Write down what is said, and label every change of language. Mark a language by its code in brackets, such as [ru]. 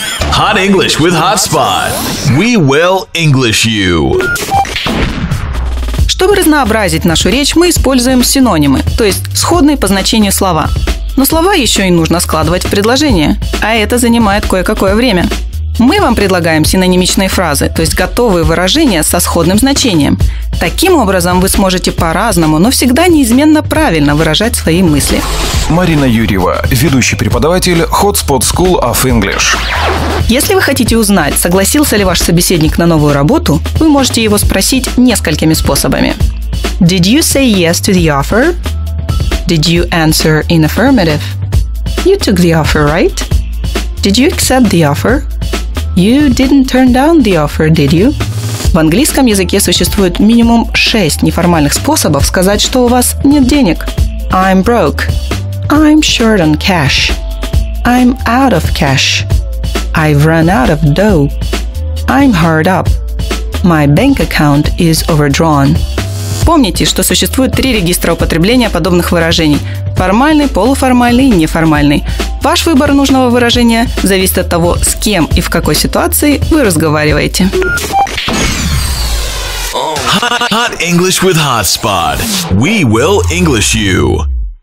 [en] Hot English with Hotspot. We will English you. [ru] Чтобы разнообразить нашу речь, мы используем синонимы, то есть сходные по значению слова. Но слова еще и нужно складывать в предложение, а это занимает кое-какое время. Мы вам предлагаем синонимичные фразы, то есть готовые выражения со сходным значением. Таким образом, вы сможете по-разному, но всегда неизменно правильно выражать свои мысли. Марина Юрьева, ведущий преподаватель Hotspot School of English. Если вы хотите узнать, согласился ли ваш собеседник на новую работу, вы можете его спросить несколькими способами. [en] Did you say yes to the offer? Did you answer in affirmative? You took the offer, right? Did you accept the offer? You didn't turn down the offer, did you? [ru] В английском языке существует минимум 6 неформальных способов сказать, что у вас нет денег. [en] I'm broke. I'm short on cash. I'm out of cash. I've run out of dough. I'm hard up. My bank account is overdrawn. [ru] Помните, что существует 3 регистра употребления подобных выражений. Формальный, полуформальный и неформальный. Ваш выбор нужного выражения зависит от того, с кем и в какой ситуации вы разговариваете. [en] Hot English with Hotspot. We will English you.